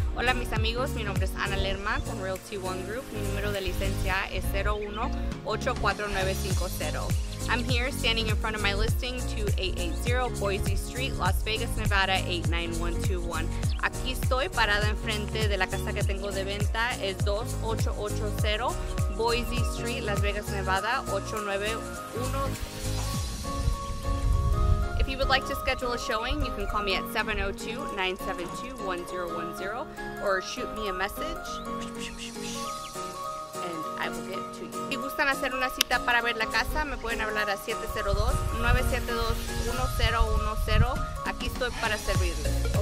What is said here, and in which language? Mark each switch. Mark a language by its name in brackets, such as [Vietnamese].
[Spanish] Hola mis amigos, mi nombre es Ana Lerma con Realty One Group. Mi número de licencia es 01849950. [English] I'm here standing in front of my listing, 2880 Boise Street, Las Vegas, Nevada, 89121. [Spanish] Aquí estoy parada enfrente de la casa que tengo de venta, es 2880 Boise Street, Las Vegas, Nevada, 89121. [English] If you would like to schedule a showing, you can call me at 702-972-1010 or shoot me a message and I will get to you. [Spanish] Si gustan hacer una cita para ver la casa, me pueden hablar a 702-972-1010. Aquí estoy para servirles.